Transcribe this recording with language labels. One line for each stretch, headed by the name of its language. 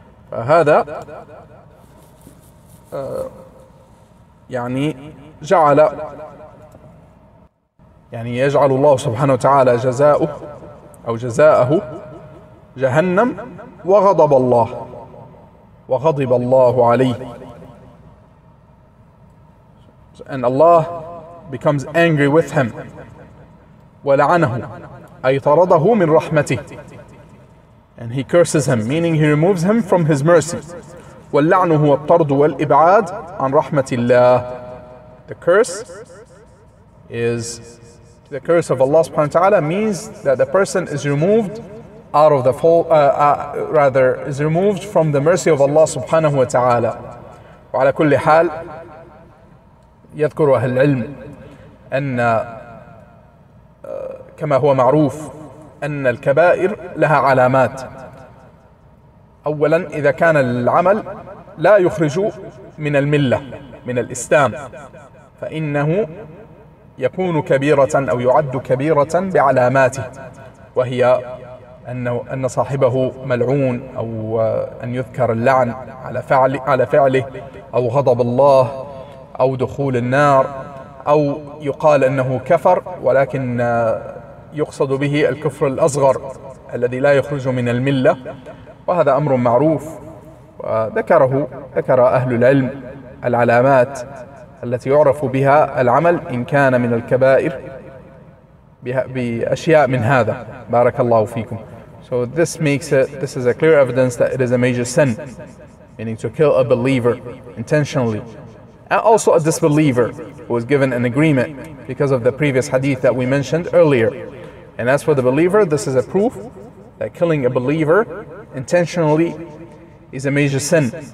Arabic: Fahada, يعني جعل يعني يجعل الله سبحانه وتعالى جزاؤه أو جزاءه جهنم وغضب الله وغضب الله عليه.
English: And Allah becomes angry with him
Arabic: ولعنه أي طرده من رحمته.
English: And he curses him, meaning he removes him from his mercy.
Arabic: واللعن هو الطرد والإبعاد عن رحمة الله.
English: The curse is the curse of Allah subhanahu wa ta'ala means that the person is removed out of the fold, rather is removed from the mercy of Allah subhanahu wa ta'ala.
Arabic: وعلى كل حال يذكر أهل العلم أن كما هو معروف أن الكبائر لها علامات. أولا إذا كان العمل لا يخرج من الملة من الإسلام فإنه يكون كبيرة أو يعد كبيرة بعلاماته، وهي أن صاحبه ملعون أو أن يذكر اللعن على فعله أو غضب الله أو دخول النار أو يقال أنه كفر ولكن يقصد به الكفر الأصغر الذي لا يخرج من الملة، وهذا أمر معروف ذكر أهل العلم العلامات التي يعرف بها العمل إن كان من الكبائر بأشياء من هذا. بارك الله فيكم.
English: So this makes it, this is a clear evidence that it is a major sin, meaning to kill a believer intentionally, and also a disbeliever who was given an agreement because of the previous hadith that we mentioned earlier. And as for the believer, this is a proof that killing a believer intentionally is a major sin.